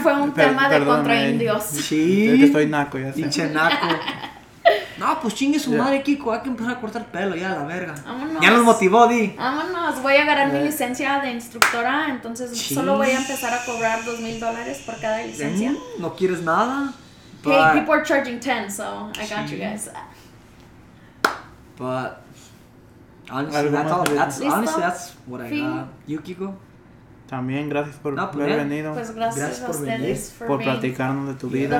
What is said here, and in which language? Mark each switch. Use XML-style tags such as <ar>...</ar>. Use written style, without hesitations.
<es>Fue un tema de contra indios. Sí. Estoy naco, ya sé. Pinche naco. No, pues chingue su madre, Kiko. Hay que empezar a cortar pelo ya, la verga. Vámonos. Ya nos motivó, di. Vámonos. Voy a agarrar mi licencia de instructora. Entonces, solo voy a empezar a cobrar $2,000 por cada licencia. ¿No quieres nada?</es> <en>Hey, okay, people are charging 10, so I got you guys. But honestly, that's what I got. You, Kiko?</en> <es>También gracias por haber venido. Pues gracias a ustedes por platicarnos de tu vida,</es>